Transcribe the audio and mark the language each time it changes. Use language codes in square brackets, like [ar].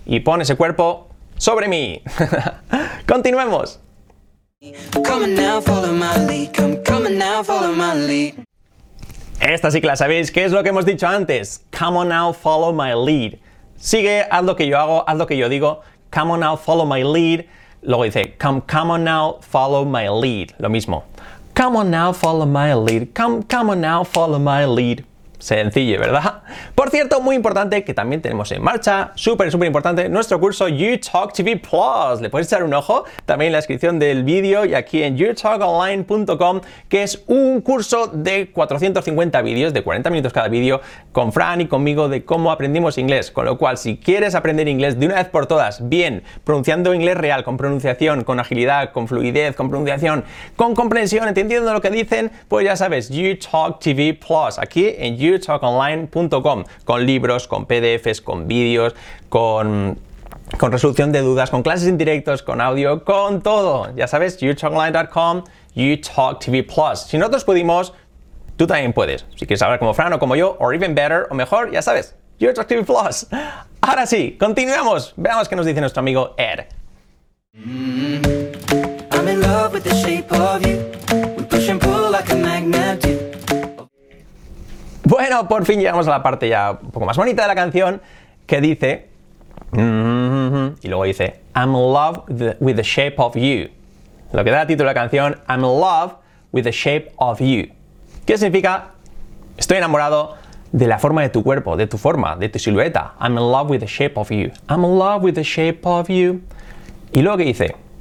[es] Y pon ese cuerpo sobre mí. Continuemos. [en] Come now, follow my lead. Come now, follow my lead. [es] Esta sí que la sabéis. ¿Qué es lo que hemos dicho antes? [en] Come on now, follow my lead. [es] Sigue, haz lo que yo hago, haz lo que yo digo. Come on now, follow my lead. Luego dice, come on now, follow my lead. Lo mismo. [en] Come on now, follow my lead. Come on now, follow my lead. [es] Sencillo, ¿verdad? Por cierto, muy importante, que también tenemos en marcha, súper, súper importante, nuestro curso YouTalkTV Plus. Le podéis echar un ojo también en la descripción del vídeo y aquí en youtalkonline.com, que es un curso de 450 vídeos, de 40 minutos cada vídeo, con Fran y conmigo de cómo aprendimos inglés. Con lo cual, si quieres aprender inglés de una vez por todas, bien, pronunciando inglés real, con pronunciación, con agilidad, con fluidez, con pronunciación, con comprensión, entendiendo lo que dicen, pues ya sabes, YouTalkTV Plus, aquí en youtalkonline.com, con libros, con PDFs, con vídeos, con resolución de dudas, con clases en directos, con audio, con todo. Ya sabes, youtalkonline.com, YouTalkTV Plus. Si nosotros pudimos, tú también puedes. Si quieres hablar como Fran o como yo, [en] or even better, [es] o mejor, ya sabes, Your Attractive Plus. Ahora sí, continuemos. Veamos qué nos dice nuestro amigo Ed. [en] I'm in love with the shape of you. We push and pull like a magnet. [es] Bueno, por fin llegamos a la parte ya un poco más bonita de la canción, que dice... Y luego dice... [en] I'm in love with the shape of you. [es] Lo que da el título de la canción, [en] I'm in love with the shape of you. [es] ¿Qué significa? Estoy enamorado de la forma de tu cuerpo, de tu forma, de tu silueta. [en] I'm in love with the shape of you. I'm in love with the shape of you. [es] Y luego que dice...